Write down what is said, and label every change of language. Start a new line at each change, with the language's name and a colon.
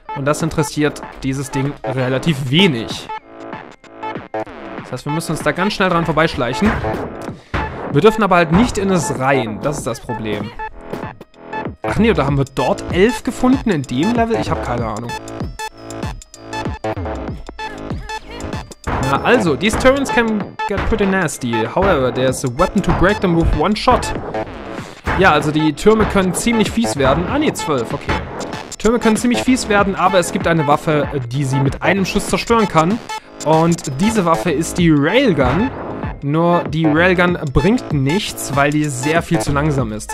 German: Und das interessiert dieses Ding relativ wenig. Das heißt, wir müssen uns da ganz schnell dran vorbeischleichen. Wir dürfen aber halt nicht in es rein. Das ist das Problem. Ach nee, oder haben wir dort 11 gefunden in dem Level? Ich habe keine Ahnung. Na also,
English: these turrets can get pretty nasty. However, there's a weapon to break them with one shot.
German: Ja, also die Türme können ziemlich fies werden. Ah nee, 12, okay. Türme können ziemlich fies werden, aber es gibt eine Waffe, die sie mit einem Schuss zerstören kann. Und diese Waffe ist die Railgun. Nur die Railgun bringt nichts, weil die sehr viel zu langsam ist.